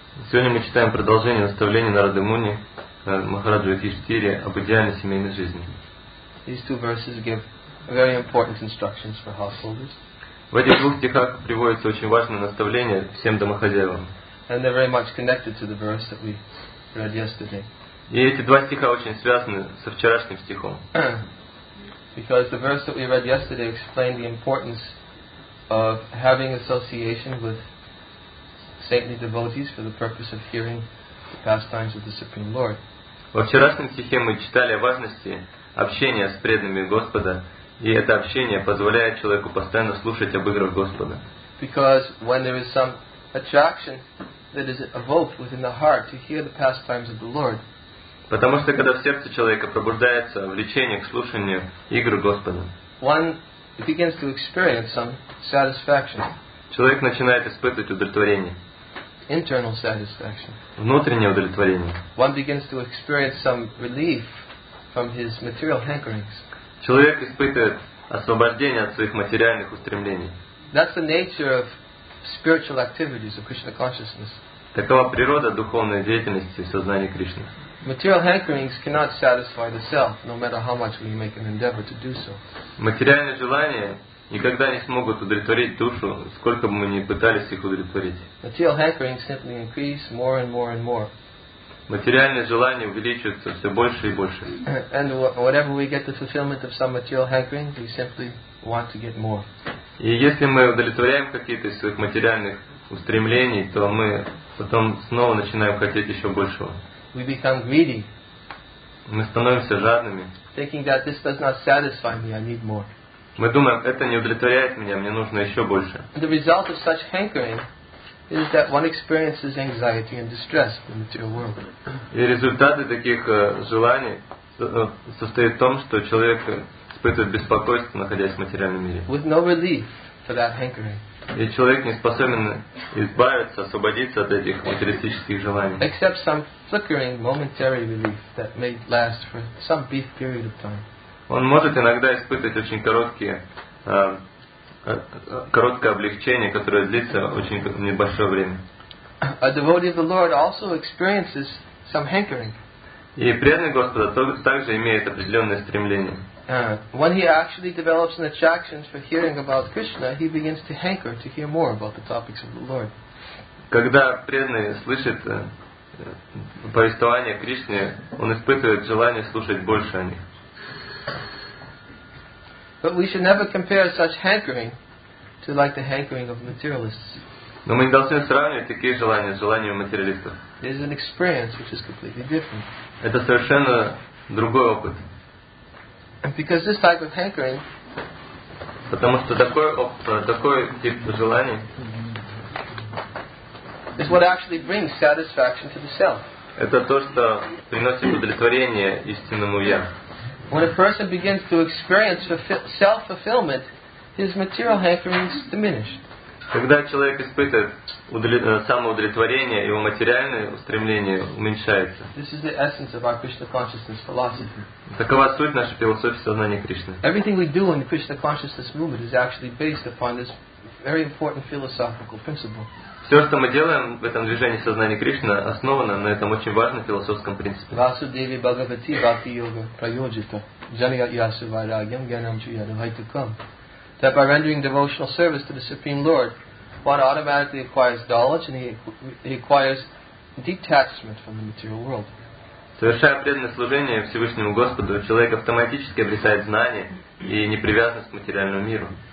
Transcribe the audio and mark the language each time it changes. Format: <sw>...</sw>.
<ru>Сегодня мы читаем продолжение наставлений Нарады Муни Махараджу Юдхиштхире об идеальной семейной жизни.</ru> <en>These two verses give very important instructions for householders.</en> <ru>В этих двух стихах приводится очень важное наставление всем домохозяевам.</ru> <en>And they're very much connected to the verse that we read yesterday.</en> <ru>И эти два стиха очень связаны со вчерашним стихом.</ru> <en>Because the verse that we read yesterday explained the importance of having association with saintly devotees for the purpose of hearing the pastimes of the Supreme Lord.</en> <ru>Во вчерашнем стихе мы читали о важности общения с преданными Господа, и это общение позволяет человеку постоянно слушать об играх Господа.</ru> <en>Because when there is some attraction that is evoked within the heart to hear the pastimes of the Lord.</en> <ru>Потому что когда в сердце человека пробуждается влечение к слушанию игр Господа,</ru> <en>one begins to experience some satisfaction.</en> <ru>Человек начинает испытывать удовлетворение.</ru> <en>Internal satisfaction.</en> <ru>Внутреннее удовлетворение.</ru> <en>One begins to experience some relief from his material hankerings.</en> <ru>Человек испытывает освобождение от своих материальных устремлений.</ru> <en>That's the nature of spiritual activities of Krishna consciousness.</en> <ru>Такова природа духовной деятельности сознания Кришны.</ru> <en>Material hankerings cannot satisfy the self, no matter how much we make an endeavor to do so.</en> <ru>Материальные желания никогда не смогут удовлетворить душу, сколько бы мы ни пытались их удовлетворить.</ru> <en>Material hankerings simply increase more and more and more.</en> <ru>Материальные желания увеличиваются все больше и больше.</ru> <en>And whenever we get the fulfillment of some material hankering, we simply want to get more.</en> <ru>И если мы удовлетворяем какие-то из своих материальных устремлений, то мы потом снова начинаем хотеть еще большего.</ru> <en>We become greedy.</en> <ru>Мы становимся жадными.</ru> <en>Thinking that this does not satisfy me, I need more.</en> <ru>Мы думаем, это не удовлетворяет меня, мне нужно еще больше.</ru> <en>The result of such hankering is that one experiences anxiety and distress in the material world.</en> <ru>И результаты таких желаний состоят в том, что человек испытывает беспокойство, находясь в материальном мире.</ru> <en>With no relief for that hankering.</en> <ru>И человек не способен избавиться, освободиться от этих материалистических желаний.</ru> <en>Except some flickering momentary relief that may last for some brief period of time.</en> <ru>Он может иногда испытывать очень короткое облегчение, которое длится очень небольшое время.</ru> <en>A devotee of the Lord also experiences some hankering.</en> <ru>И преданный Господа также имеет определенное стремление.</ru> <en>When he actually develops an attraction for hearing about Krishna, he begins to hanker to hear more about the topics of the Lord.</en> <ru>Когда преданный слышит повествование о Кришне, он испытывает желание слушать больше о них.</ru> <en>But we should never compare such hankering to like the hankering of materialists.</en> <ru>Но мы не должны сравнивать такие желания с желаниями материалистов.</ru> <en>It is an experience which is completely different.</en> <ru>Это совершенно другой опыт.</ru> <en>Because this type of hankering,</en> <ru>потому что такой тип желаний,</ru> <en>is what actually brings satisfaction to the self.</en> <ru>Это то, что приносит удовлетворение истинному я.</ru> <en>When a person begins to experience self-fulfillment, his material hankerings diminish.</en> <ru>Когда человек испытывает самоудовлетворение, его материальное устремление уменьшается.</ru> <en>This is the essence of our Krishna consciousness philosophy.</en> <ru>Такова суть нашей философии сознания Кришны.</ru> <en>Everything we do in the Krishna consciousness movement is actually based upon this very important philosophical principle.</en> <ru>Все, что мы делаем в этом движении сознания Кришны, основано на этом очень важном философском принципе.</ru> <sa>Васудеви Бхагавати Бхакти Йога Прайоджита Джанья Ясу Вайрагьям Гьянам Чуяду Вайтукам.</sa> <en>That by rendering devotional service to the Supreme Lord, one automatically acquires knowledge and he acquires detachment from the material world.</en> <ru>Совершая преданное служение Всевышнему Господу, человек автоматически обретает знания и непривязанность к материальному миру.</ru>